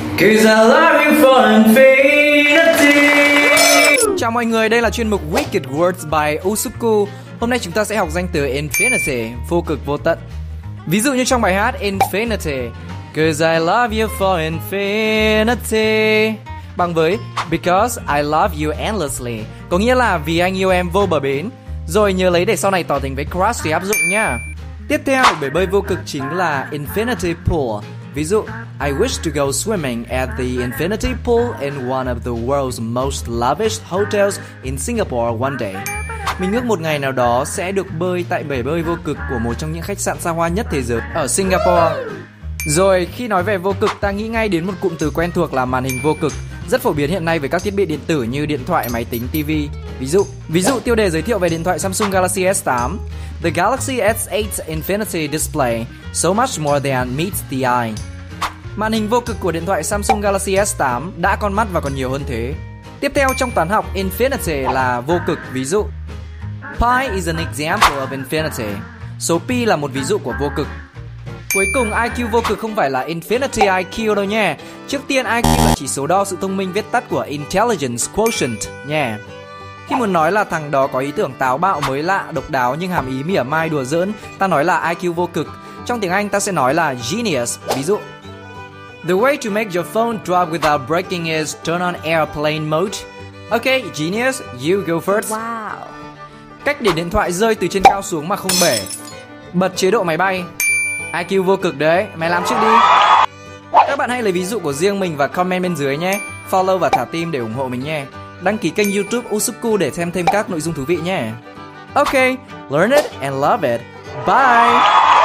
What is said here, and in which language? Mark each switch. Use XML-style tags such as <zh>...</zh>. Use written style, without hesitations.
<en>Cause I love you for infinity.</en> <vi>Chào mọi người, đây là chuyên mục Wicked Words by Usuku. Hôm nay chúng ta sẽ học danh từ infinity, vô cực vô tận. Ví dụ như trong bài hát Infinity,</vi> <en>Cause I love you for infinity,</en> <vi>bằng với</vi> <en>Because I love you endlessly,</en> <vi>có nghĩa là vì anh yêu em vô bờ bến. Rồi nhớ lấy để sau này tỏ tình với crush thì áp dụng nha. Tiếp theo, bể bơi vô cực chính là infinity pool.</vi> <en>Ví dụ, I wish to go swimming at the infinity pool in one of the world's most lavish hotels in Singapore one day.</en> <vi>Mình ước một ngày nào đó sẽ được bơi tại bể bơi vô cực của một trong những khách sạn xa hoa nhất thế giới ở Singapore. Rồi, khi nói về vô cực, ta nghĩ ngay đến một cụm từ quen thuộc là màn hình vô cực, rất phổ biến hiện nay với các thiết bị điện tử như điện thoại, máy tính, TV. Ví dụ tiêu đề giới thiệu về điện thoại Samsung Galaxy S8,</vi> <en>The Galaxy S8 Infinity Display, so much more than meets the eye.</en> <vi>Màn hình vô cực của điện thoại Samsung Galaxy S8 đã con mắt và còn nhiều hơn thế. Tiếp theo trong toán học, infinity là vô cực.</vi> <en>Ví dụ, Pi is an example of infinity.</en> <vi>Số pi là một ví dụ của vô cực. Cuối cùng, IQ vô cực không phải là infinity IQ đâu nha. Trước tiên, IQ là chỉ số đo sự thông minh viết tắt của intelligence quotient nha. Khi muốn nói là thằng đó có ý tưởng táo bạo, mới lạ, độc đáo nhưng hàm ý mỉa mai, đùa giỡn, ta nói là IQ vô cực. Trong tiếng Anh ta sẽ nói là genius.</vi> <en>Ví dụ, The way to make your phone drop without breaking is turn on airplane mode. Okay, genius, you go first. Wow.</en> <vi>Cách để điện thoại rơi từ trên cao xuống mà không bể, bật chế độ máy bay. IQ vô cực đấy, mày làm trước đi. Các bạn hãy lấy ví dụ của riêng mình và comment bên dưới nhé. Follow và thả tim để ủng hộ mình nhé. Đăng ký kênh YouTube Usuku để xem thêm các nội dung thú vị nhé.</vi> <en>Okay, learn it and love it. Bye.</en>